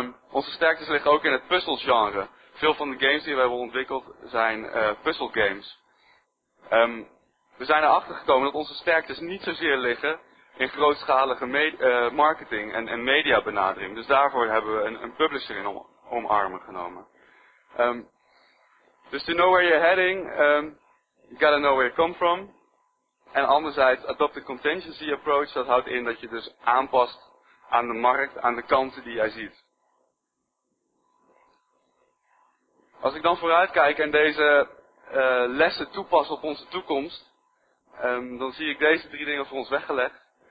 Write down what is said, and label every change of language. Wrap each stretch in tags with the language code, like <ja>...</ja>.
<nl>Onze sterktes liggen ook in het puzzelgenre. Veel van de games die we hebben ontwikkeld zijn puzzelgames. We zijn erachter gekomen dat onze sterktes niet zozeer liggen in grootschalige marketing en media benadering. Dus daarvoor hebben we een publisher in omarmen genomen.</nl> <en>Dus to know where you're heading, you gotta know where you come from.</en> <nl>En anderzijds,</nl> <en>adopt a contingency approach.</en> <nl>Dat houdt in dat je dus aanpast aan de markt, aan de kansen die jij ziet. Als ik dan vooruitkijk en deze lessen toepassen op onze toekomst, dan zie ik deze drie dingen voor ons weggelegd.</nl>